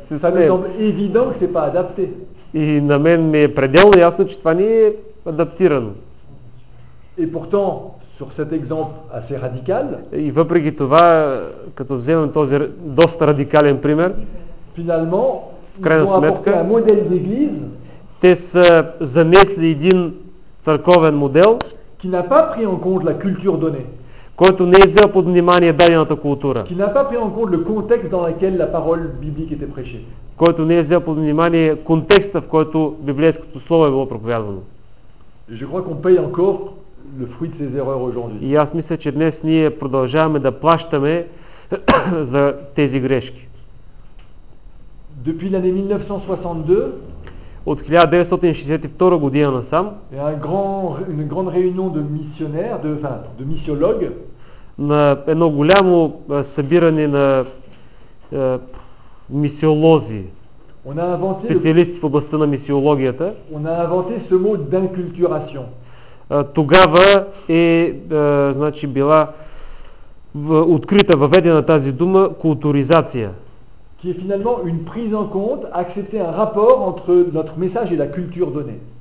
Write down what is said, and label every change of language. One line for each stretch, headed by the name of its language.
French: Ça me semble évident que c'est pas adapté.
Bulgarian: И на мен ми е пределно ясно, че това не е адаптирано.
French: Et pourtant, sur cet exemple assez radical,
Bulgarian: и въпреки това, като вземем този доста радикален пример,
French: finalement,
Bulgarian: в крайна сметка,
French: un modèle d'église,
Bulgarian: те са замесли един църковен модел,
French: qui n'a pas pris en compte la culture donnée,
Bulgarian: който не е взел под внимание дадената култура,
French: qui n'a pas pris en compte le contexte dans lequel la parole biblique était prêchée,
Bulgarian: който не е взел под внимание контекста, в който библейското слово е било проповядвано.
French: Et je crois qu'on paye encore le fruit de ses erreurs aujourd'hui.
Bulgarian: И аз мисля, че днес ние продължаваме да плащаме за тези грешки.
French: Depuis l'année 1962,
Bulgarian: от 1962 година насам,
French: une grande réunion de missionnaires, de missiologues,
Bulgarian: на едно голямо събиране на мисиолози, специалисти в областта на мисиологията,
French: on a inventé ce mot d'inculturation.
Bulgarian: Тогава е, значи, била открита, въведена тази дума културизация.
French: Qui est finalement une prise en compte, accepter un rapport entre notre message et la culture donnée.